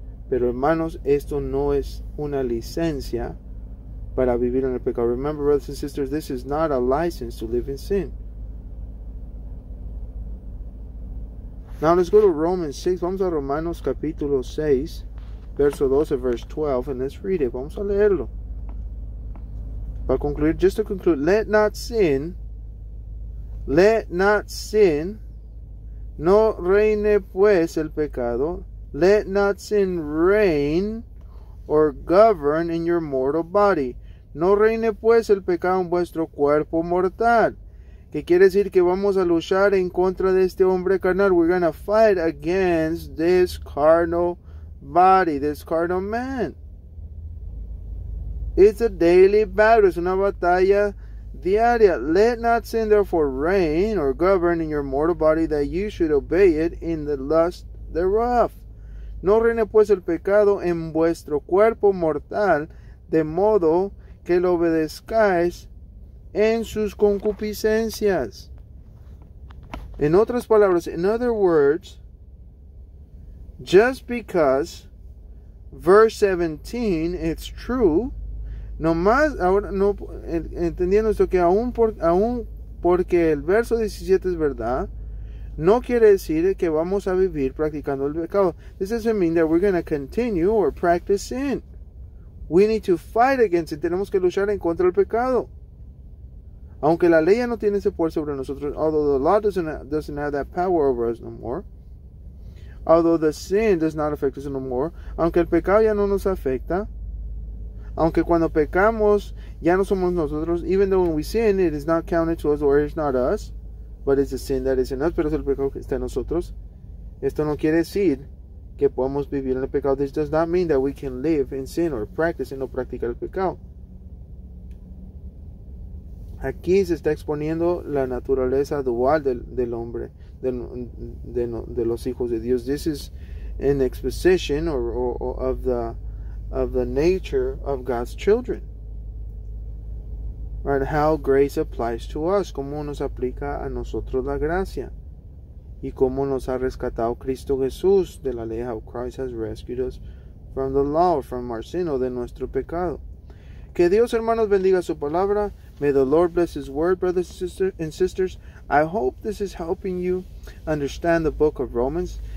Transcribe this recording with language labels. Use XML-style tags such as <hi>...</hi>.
<es>Pero hermanos, esto no es una licencia para vivir en el pecado.</es> <en>Remember, brothers and sisters, this is not a license to live in sin. Now let's go to Romans 6.</en> <es>Vamos a Romanos capítulo 6, verso 12,</es> <en>verse 12, and let's read it.</en> <es>Vamos a leerlo. Para concluir,</es> <en>just to conclude, let not sin,</en> <es>no reine pues el pecado.</es> <en>Let not sin reign or govern in your mortal body.</en> <es>No reine pues el pecado en vuestro cuerpo mortal. Que quiere decir que vamos a luchar en contra de este hombre carnal.</es> <en>We're going to fight against this carnal body, this carnal man. It's a daily battle.</en> <es>Es una batalla diaria.</es> <en>Let not sin therefore reign or govern in your mortal body, that you should obey it in the lust thereof.</en> <es>No reine pues el pecado en vuestro cuerpo mortal, de modo que lo obedezcáis en sus concupiscencias. En otras palabras,</es> <en>in other words, just because verse 17 it's true,</en> <es>nomás ahora no entendiendo esto, que aún porque el verso 17 es verdad, no quiere decir que vamos a vivir practicando el pecado.</es> <en>This doesn't mean that we're going to continue or practice sin. We need to fight against it.</en> <es>Tenemos que luchar en contra del pecado. Aunque la ley ya no tiene ese poder sobre nosotros.</es> <en>Although the law doesn't have that power over us no more. Although the sin does not affect us no more.</en> <es>Aunque el pecado ya no nos afecta. Aunque cuando pecamos ya no somos nosotros.</es> <en>Even though when we sin, it is not counted to us or it's not us. But it's a sin that is in us.</en> <es>Pero es el pecado que está en nosotros. Esto no quiere decir que podamos vivir en el pecado.</es> <en>This does not mean that we can live in sin or practice and</en> <es>no practicar el pecado. Aquí se está exponiendo la naturaleza dual del hombre, de los hijos de Dios.</es> <en>This is an exposition of the nature of God's children. And how grace applies to us.</en> <es>Cómo nos aplica a nosotros la gracia. Y cómo nos ha rescatado Cristo Jesús de la ley.</es> <en>How Christ has rescued us from the law, from our sin,</en> <es>o de nuestro pecado. Que Dios, hermanos, bendiga su palabra.</es> <en>May the Lord bless his word, brothers and sisters. I hope this is helping you understand the book of Romans.</en>